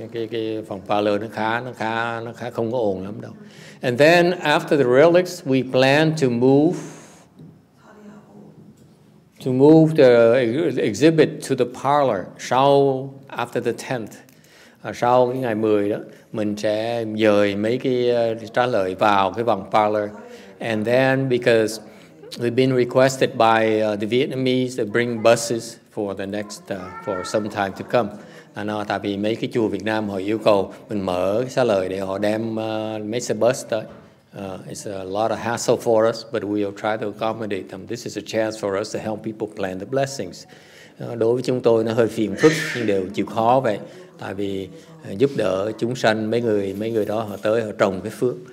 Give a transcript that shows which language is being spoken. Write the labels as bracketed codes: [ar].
[vi] Cái phòng parlor nó khá không có ồn lắm đâu. [en] And then after the relics, we plan to move the exhibit to the parlor. Sau after the 10th, [vi] sau cái ngày 10 đó, mình sẽ dời mấy cái trả lời vào cái phòng parlor. [en] And then because we've been requested by the Vietnamese to bring buses for the next for some time to come. [vi] Tại vì mấy cái chùa Việt Nam họ yêu cầu mình mở xá lợi để họ đem mấy xe bus tới. [en] It's a lot of hassle for us, but we will try to accommodate them. This is a chance for us to help people plan the blessings. [vi] Đối với chúng tôi nó hơi phiền phức nhưng đều chịu khó vậy. Tại vì giúp đỡ chúng sanh mấy người đó họ tới họ trồng cái phước.